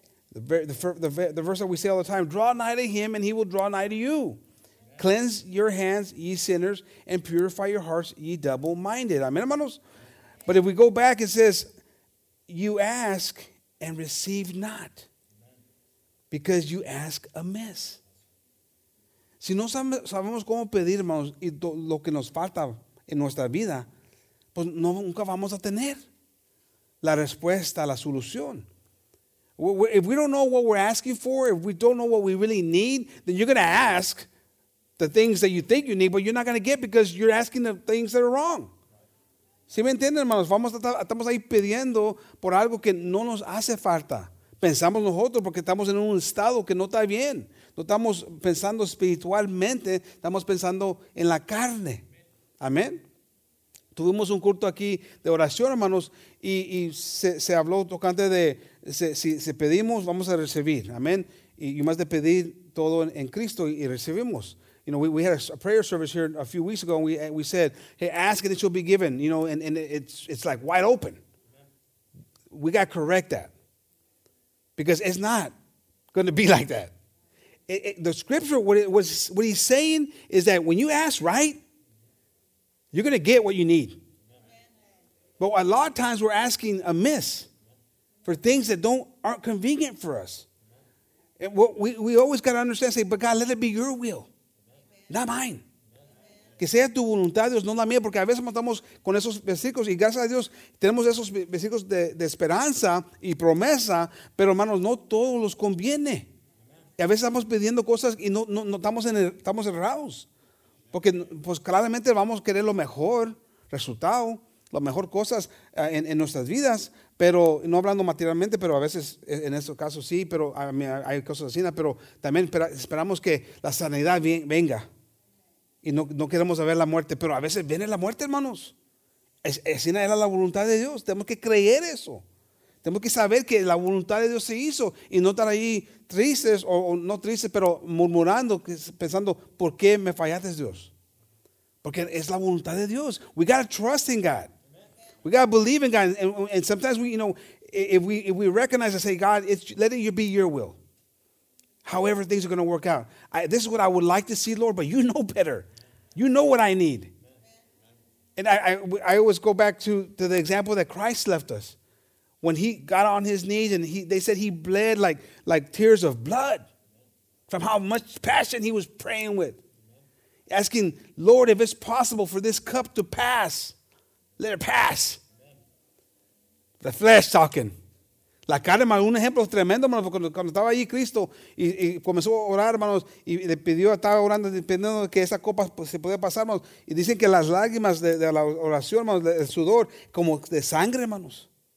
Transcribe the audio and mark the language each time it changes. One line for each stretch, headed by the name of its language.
English: The verse that we say all the time, draw nigh to him, and he will draw nigh to you. Amen. Cleanse your hands, ye sinners, and purify your hearts, ye double-minded. Amen, hermanos? But if we go back, it says, you ask and receive not, because you ask amiss.
Spanish: Si no sabemos cómo pedir, hermanos, y lo que nos falta en nuestra vida, pues no, nunca vamos a tener la respuesta, la solución.
English: If we don't know what we're asking for, if we don't know what we really need, then you're going to ask the things that you think you need, but you're not going to get because you're asking the things that are wrong.
Spanish: ¿Sí me entienden, hermanos? Estamos ahí pidiendo por algo que no nos hace falta. Pensamos nosotros porque estamos en un estado que no está bien. No estamos pensando espiritualmente, estamos pensando en la carne. Amén. Tuvimos un culto aquí de oración, hermanos, y se habló tocante de si pedimos, vamos a recibir. Amén. Y más de pedir todo en Cristo y recibimos.
English: You know, we had a prayer service here a few weeks ago, and we said, hey, ask and it shall be given. You know, and it's like wide open. We got to correct that. Because it's not going to be like that. The scripture, what he's saying is that when you ask right, you're going to get what you need. But a lot of times we're asking amiss for things that aren't convenient for us. And what we always got to understand, say, but God, let it be your will, not mine.
Spanish: Que sea tu voluntad, Dios, no la mía, porque a veces estamos con esos versículos y gracias a Dios tenemos esos versículos de esperanza y promesa, pero hermanos, no todo los conviene. A veces estamos pidiendo cosas y no estamos errados. Porque pues claramente vamos a querer lo mejor, resultado. las mejores cosas en nuestras vidas, pero no hablando materialmente, pero a veces en estos casos sí, pero hay cosas así, pero también esperamos que la sanidad venga. Y no queremos ver la muerte, pero a veces viene la muerte, hermanos. Así era la voluntad de Dios. Tenemos que creer eso. Tenemos que saber que la voluntad de Dios se hizo y no estar ahí tristes o no tristes, pero murmurando, pensando, ¿por qué me fallaste, Dios? Porque es la voluntad de Dios.
English: We got to trust in God. We got to believe in God. And sometimes, if we recognize and say, God, let it be your will. However things are going to work out. This is what I would like to see, Lord, but you know better. You know what I need. And I always go back to the example that Christ left us. When he got on his knees and they said he bled like tears of blood from how much passion he was praying with. Asking, Lord, if it's possible for this cup to pass, let it pass. The flesh talking.
Spanish: La carne, un ejemplo tremendo, hermanos, cuando estaba allí Cristo y comenzó a orar, hermanos, y le pidió, estaba orando, dependiendo de que esa copa se podía pasar, hermanos, y dicen que las lágrimas de la oración, hermanos, el sudor, como de sangre, hermanos.